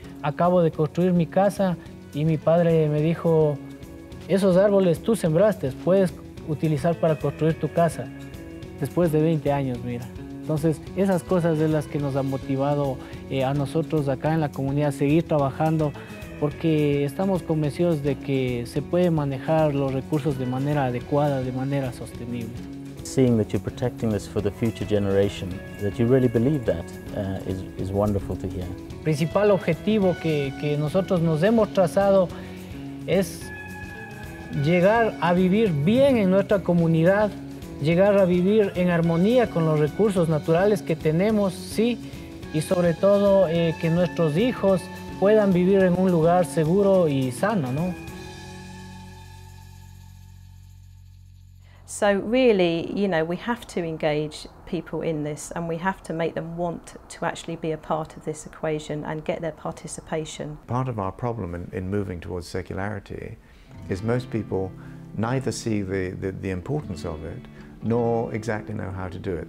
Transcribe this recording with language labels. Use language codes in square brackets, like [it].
[es] Acabo de construir mi casa y mi padre me dijo, esos árboles tú sembraste, puedes utilizar para construir tu casa. Después de 20 años, mira. Entonces, esas cosas de las que nos han motivado a nosotros acá en la comunidad a seguir trabajando, porque estamos convencidos de que se puede manejar los recursos de manera adecuada, de manera sostenible. [en] Seeing that you're protecting this for the future generation, that you really believe that, is wonderful to hear. [es] Principal objetivo que nosotros nos hemos trazado es llegar a vivir bien en nuestra comunidad, llegar a vivir en armonía con los recursos naturales que tenemos, sí, y sobre todo que nuestros hijos puedan vivir en un lugar seguro y sano, ¿no? [en] So really, you know, we have to engage people in this and we have to make them want to actually be a part of this equation and get their participation. Part of our problem in moving towards circularity is most people neither see the importance of it nor exactly know how to do it.